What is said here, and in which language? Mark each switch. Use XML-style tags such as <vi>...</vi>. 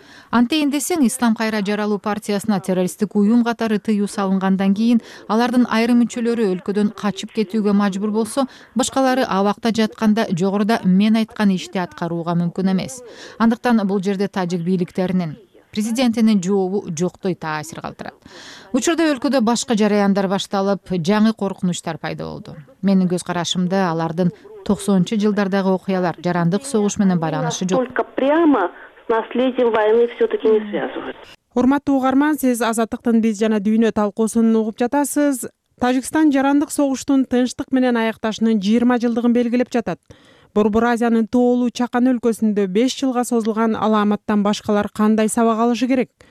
<ky>Антейин десең, Ислам кайра жаралуу партиясына террористтик уюм катары тыюу салынгандан кийин алардын айрым мүчөлөрү өлкөдөн качып кетүүгө мажбур болсо, башкалары абакта жатканда жогоруда мен айткан ишти аткарууга мүмкүн эмес. Андыктан бул жерде тажик бийликтеринин президентинин жообу жоктой таасир калтырат. Учурда өлкөдө башка жараяндар башталып, жаңы коркунучтар пайда болду. Менин көз карашымда алардын 90-жылдардагы окуялар жарандык согуш менен байланышы жок.</ky> <ru>Только прямо с наследием войны всё-таки не связывают.</ru> <ky>Урматтуу угарман, сиз азаттыктын биз жана дүйнө талкуусун угуп жатасыз. Тажикстан жарандык согуштун тынчтык менен аякташынын 20 жылдыгын белгилеп жатат. Борбор Азиянын тоолуу чакан өлкөсүндө 5 жылга созулган аламаттан башкалар кандай сабак алышы керек?</ky>